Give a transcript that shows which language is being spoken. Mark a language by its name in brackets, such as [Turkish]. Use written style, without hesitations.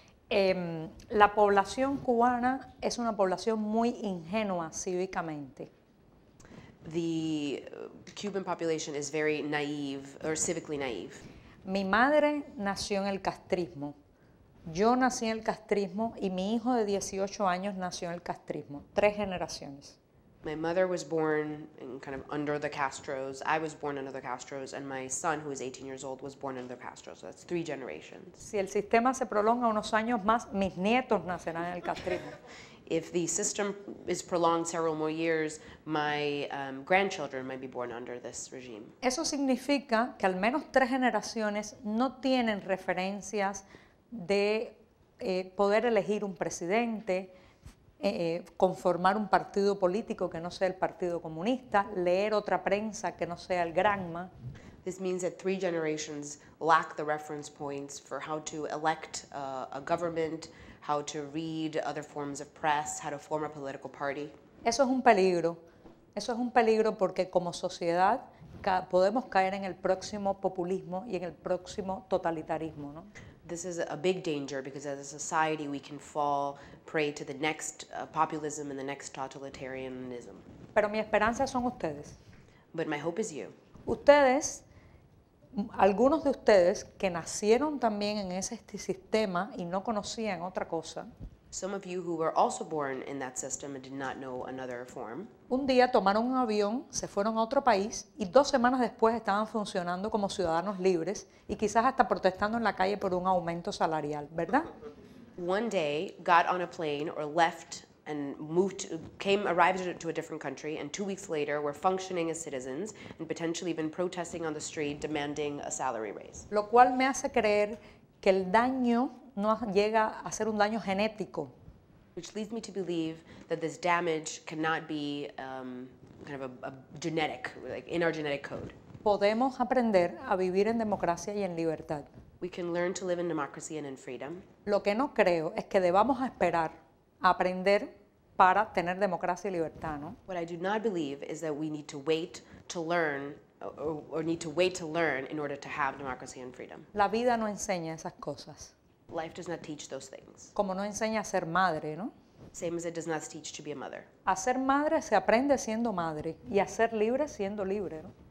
[Spanish] La población cubana es una población muy ingenua cívicamente. [English] The Cuban population is very naive, or civically naive. [Spanish] Mi madre nació en el castrismo. Yo nací en el castrismo y mi hijo de 18 años nació en el castrismo. Tres generaciones. [English] My mother was born in kind of under the Castros. I was born under the Castros, and my son, who is 18 years old, was born under the Castros. So that's three generations. [Spanish] Si el sistema se prolonga unos años más, mis nietos nacerán en el castrismo. [English] If the system is prolonged several more years, my grandchildren might be born under this regime. [Spanish] Eso significa que al menos tres generaciones no tienen referencias de poder elegir un presidente, conformar un partido político que no sea el Partido Comunista, leer otra prensa que no sea el Granma. [English] This means that three generations lack the reference points for how to elect a government, how to read other forms of press, how to form a political party. [Spanish] Eso es un peligro. Eso es un peligro porque como sociedad podemos caer en el próximo populismo y en el próximo totalitarismo, ¿no? [English] This is a big danger because as a society we can fall prey to the next populism and the next totalitarianism. [Spanish] Pero mi esperanza son ustedes. [English] But my hope is you. [Spanish] Ustedes, algunos de ustedes que nacieron también en ese sistema y no conocían otra cosa. [English] Some of you who were also born in that system and did not know another form. [Spanish] Un día tomaron un avión, se fueron a otro país y dos semanas después estaban funcionando como ciudadanos libres y quizás hasta protestando en la calle por un aumento salarial, ¿verdad? [English] One day got on a plane or left and moved to, came arrived to a different country and 2 weeks later were functioning as citizens and potentially even protesting on the street demanding a salary raise. [Spanish] Lo cual me hace creer que el daño no llega a ser un daño genético. [English] Which leads me to believe that this damage cannot be kind of a genetic, like in our genetic code. [Spanish] Podemos aprender a vivir en democracia y en libertad. [English] We can learn to live in democracy and in freedom. [Spanish] Lo que no creo es que debamos esperar a aprender para tener democracia y libertad, ¿no? [English] What I do not believe is that we need to wait to learn or need to wait to learn in order to have democracy and freedom. [Spanish] La vida no enseña esas cosas. [English] Life does not teach those things. [Spanish] Como no enseña a ser madre, ¿no? [English] Same as it does not teach to be a mother. [Spanish] A ser madre se aprende siendo madre y a ser libre siendo libre, ¿no?